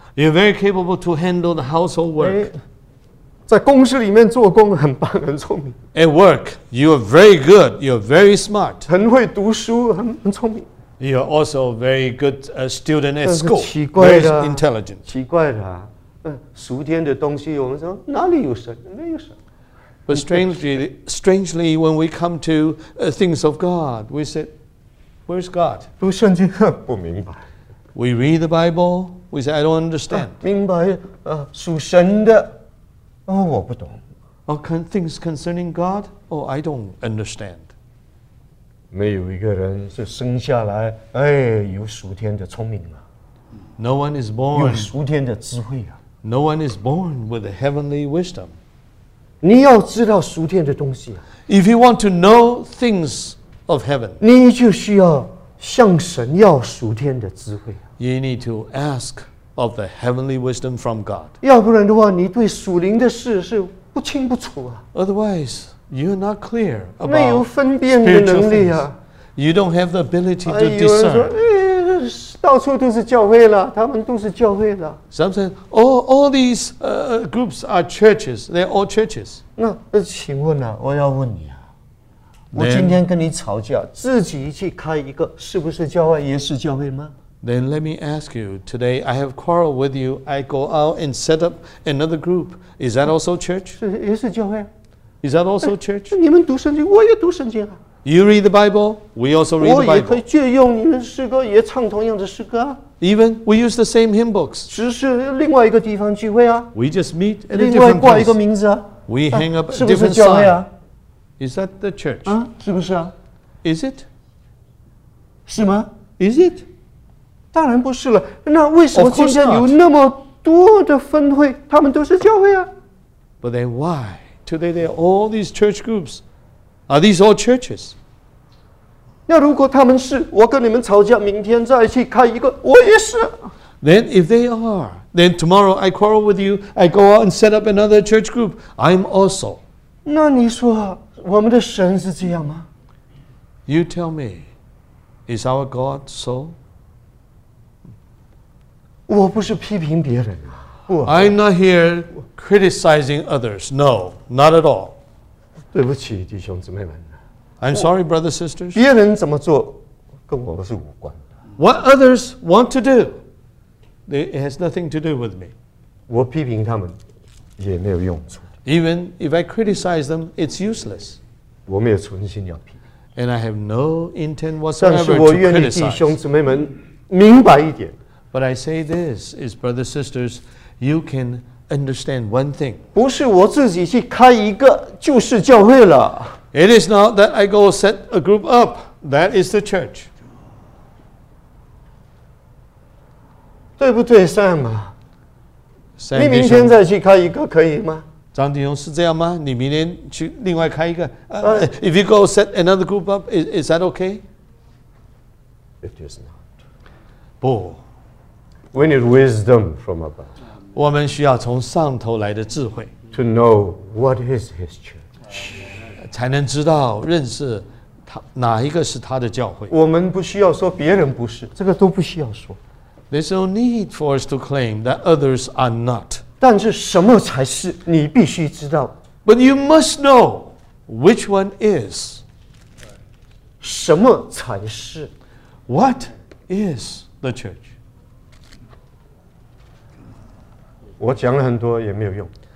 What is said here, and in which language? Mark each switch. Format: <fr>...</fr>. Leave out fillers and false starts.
<en>You are very capable to handle the household work.</en> <zh>在公司里面做工很棒，很聪明。</zh> <en>At work, you are very good. You are very smart.</en> <zh>很会读书，很聪明。</zh> <en>You are also a very good student at school.</en> <zh>奇怪的啊。</zh> <en>Very intelligent.</en> <zh>奇怪的啊。属天的东西，我们说哪里有神？没有神。</zh> <en>But strangely, when we come to things of God, we said, "Where's God?"</en> <zh>读圣经不明白。</zh> <en>We read the Bible. We say, "I don't understand."</en> <zh>明白，属神的，我不懂。</zh> <en>Things concerning God, I don't understand.</en> <zh>没有一个人是生下来，有属天的聪明啊。</zh> <en>No one is born</en> <zh>有属天的智慧啊。</zh> <en>No one is born with a heavenly wisdom.</en> <zh>你要知道属天的东西啊。</zh> <en>If you want to know things of heaven,</en> <zh>你就需要向神要属天的智慧啊。</zh> <en>You need to ask of the heavenly wisdom from God.</en> <zh>要不然的话，你对属灵的事是不清不楚啊。</zh> <en>Otherwise, you're not clear about spiritual</en> <zh>things. 没有分辨的能力啊。</zh> <en>You don't have the ability to discern.</en> <zh>到处都是教会了，他们都是教会了。</zh> <en>Some say, all these groups are churches. They're all churches.</en> <zh>那请问啊，我要问你啊，我今天跟你吵架，自己去开一个，是不是教会也是教会吗</zh> <en>？Then let me ask you. Today I have quarreled with you. I go out and set up another group. Is that also church?</en> <zh>是也是教会。</zh> <en>Is that also church?</en> <zh>你们读圣经，我也读圣经啊。</zh> <en>You read the Bible, we also read the Bible.</en> <zh>我也可以借用你们诗歌，也唱同样的诗歌。</zh> <en>Even we use the same hymn books.</en> <zh>只是另外一个地方聚会啊。</zh> <en>We just meet at a different place.</en> <zh>另外挂一个名字啊。</zh> <en>We hang up a different sign.</en> <zh>是不是教会啊？</zh> <en>Is that the church?</en> <zh>啊，是不是啊？</zh> <en>Is it?</en> <zh>是吗？</zh> <en>Is it?</en> <zh>当然不是了。那为什么今天有那么多的分会？他们都是教会啊。</zh> <en>But then why? Today there are all these church groups. Are these all churches?</en> <zh>那如果他们是，我跟你们吵架，明天再去开一个，我也是。</zh> <en>Then if they are, then tomorrow I quarrel with you, I go out and set up another church group. I'm also.</en> <zh>那你说我们的神是这样吗？</zh> <en>You tell me, is our God so?</en> <zh>我不是批评别人啊。</zh> <en>I'm not here criticizing others. No, not at all.</en> <zh>对不起，弟兄姊妹们。</zh> <en>I'm sorry, brothers, sisters.</en> <zh>别人怎么做，跟我们是无关的。</zh> <en>What others want to do, it has nothing to do with me.</en> <zh>我批评他们也没有用处。</zh> <en>Even if I criticize them, it's useless.</en> <zh>我没有存心要批评。</zh> <en>And I have no intent whatsoever to criticize.</en> <zh>但是我愿意弟兄姊妹们明白一点。</zh> <en>But I say this, is brothers, sisters, you can understand one thing.</en> <zh>不是我自己去开一个就是教会了。</zh> <en>It is not that I go set a group up. That is the church.</en> <zh>对不对 ，Sam？你明天再去开一个可以吗？张弟兄是这样吗？你明天去另外开一个 ？</zh> <en>If you go set another group up, is that okay? It is not.</en> <zh>不。</zh> <en>We need wisdom from above.</en> <zh>我们需要从上头来的智慧。</zh> <en>To know what is his church.</en> <zh>才能知道认识他哪一个是他的教会。我们不需要说别人不是，这个都不需要说。</zh> <en>There's no need for us to claim that others are not.</en> <zh>但是什么才是，你必须知道。</zh> <en>But you must know which one is.</en> <zh>什么才是。</zh> <en>What is the church?</en> <zh>我讲了很多也没有用。</zh>